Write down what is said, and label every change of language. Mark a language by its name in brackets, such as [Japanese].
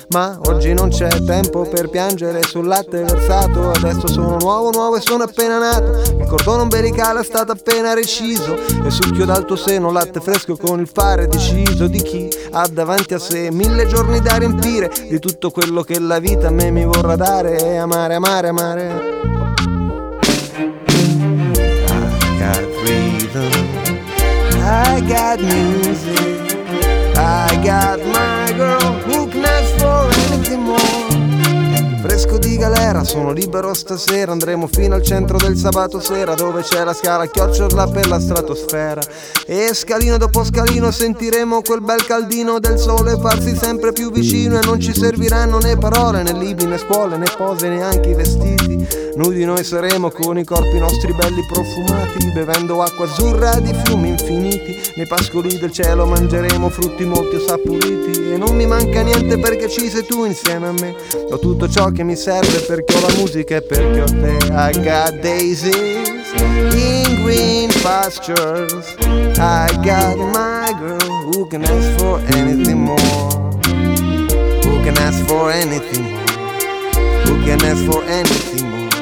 [Italian] Ma oggi non c'è tempo per piangere sul latte versato, adesso sono nuovo, nuovo e sono appena nato. Il cordone ombelicale è stato appena reciso e succhio dal tuo seno latte fresco con il fare deciso di chi ha davanti a sé mille giorni da riempire di tutto quello che la vita a me mi vorrà dare. E amare, amare, amare. [English] I got freedom, I got music, I got my girl who can ask for anything more. [Italian] Fresco di galera, sono libero stasera, andremo fino al centro del sabato sera, dove c'è la scala, chiocciola per la stratosfera. E scalino dopo scalino sentiremo quel bel caldino del sole farsi sempre più vicino, e non ci serviranno né parole, né libri, né scuole, né pose, neanche i vestiti. Nudi noi saremo con i corpi nostri belli profumati, bevendo acqua azzurra di fiumi infiniti. Nei pascoli del cielo mangeremo frutti molti assaporiti. E non mi manca niente perché ci sei tu insieme a me. Ho tutto ciò che mi serve perché ho la musica e perché ho te. [English] I got daisies in green pastures, I got my girl who can ask for anything more, who can ask for anything more, who can ask for anything more.